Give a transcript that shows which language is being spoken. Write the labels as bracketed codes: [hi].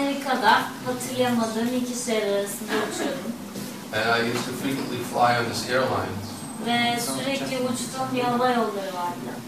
[tr] Amerika'da hatırlamadığım iki şehir arasında uçuyordum. [en] And I used to frequently fly on this airline. [tr] Ve sürekli uçtuğum bir hava yolları vardı.